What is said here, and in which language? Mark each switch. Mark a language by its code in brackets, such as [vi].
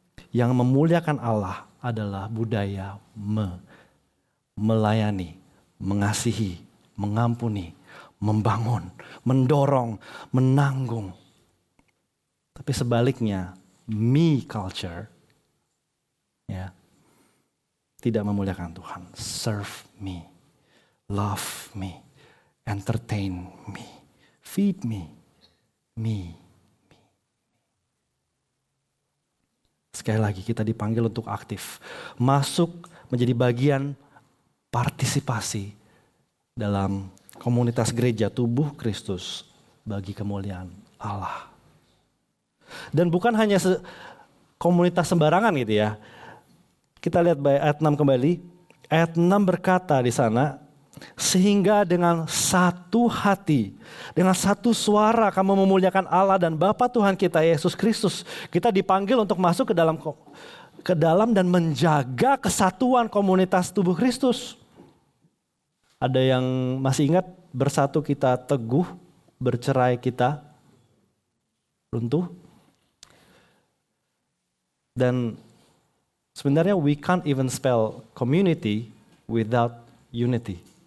[id] Yang memuliakan Allah adalah budaya melayani, mengasihi, mengampuni, membangun, mendorong, menanggung. Tapi sebaliknya, me culture ya, tidak memuliakan Tuhan. [en] Serve me, love me, entertain me, feed me, me. [id] Sekali lagi, kita dipanggil untuk aktif. Masuk menjadi bagian partisipasi dalam komunitas gereja tubuh Kristus bagi kemuliaan Allah. Dan bukan hanya komunitas sembarangan gitu ya. Kita lihat ayat 6 kembali. Ayat 6 berkata di sana, sehingga dengan satu hati, dengan satu suara kamu memuliakan Allah dan Bapa Tuhan kita Yesus Kristus. Kita dipanggil untuk masuk ke dalam dan menjaga kesatuan komunitas tubuh Kristus. Ada yang masih ingat bersatu kita teguh, bercerai kita runtuh? Dan sebenarnya [en] we can't even spell community without unity.